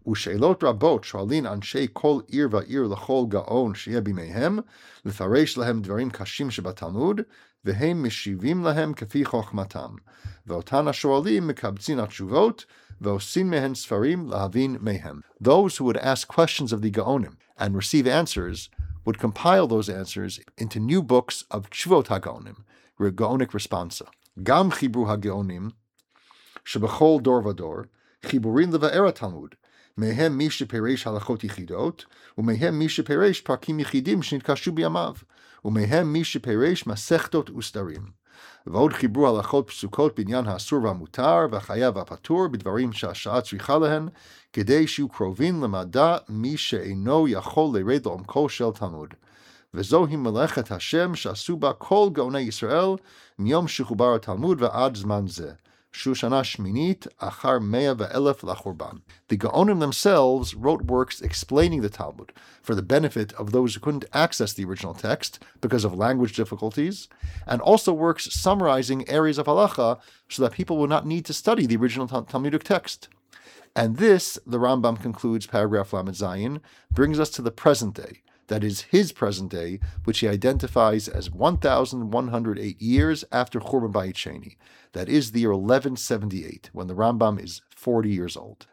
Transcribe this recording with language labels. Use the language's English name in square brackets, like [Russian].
[Hebrew] ושאלות רבות שואלים אנשי כל עיר ועיר לכל גאון שיהיה בימיהם, לפרש להם דברים קשים שבתלמוד, והם משיבים להם כפי חוכמתם, ואותן השואלים מקבצים התשובות, ועושים מהן ספרים להבין מהם. [English] Those who would ask questions of the Gaonim and receive answers would compile those answers into new books of Tshuvot HaGaonim, Gaonic Responsa. [Hebrew] גם חיברו הגאונים שבכל דור ודור, חיבורים לבאר התלמוד, מהם מי שפירש הלכות יחידות, ומהם מי שפירש פרקים יחידים שנתקשו בימיו, ומהם מי שפירש מסכתות וסתרים. ועוד חיברו הלכות פסוקות בעניין האסור והמותר, והחיה והפטור בדברים שהשעה צריכה להן, כדי שיהיו קרובים למדע מי שאינו יכול לרד לעומקו של תלמוד. וזוהי מלאכת השם שעשו בה כל גאוני ישראל מיום שחובר התלמוד ועד זמן זה, שהוא שנה שמינית אחר 100,000 לחורבן. [English] The Gaonim themselves wrote works explaining the Talmud for the benefit of those who couldn't access the original text because of language difficulties, and also works summarizing areas of halacha so that people will not need to study the original Talmudic text. And this, the Rambam concludes paragraph Lamed Zayin, brings us to the present day, that is his present day, which he identifies as 1,108 years after Churban Bayit Sheni, that is the year 1178, when the Rambam is 40 years old.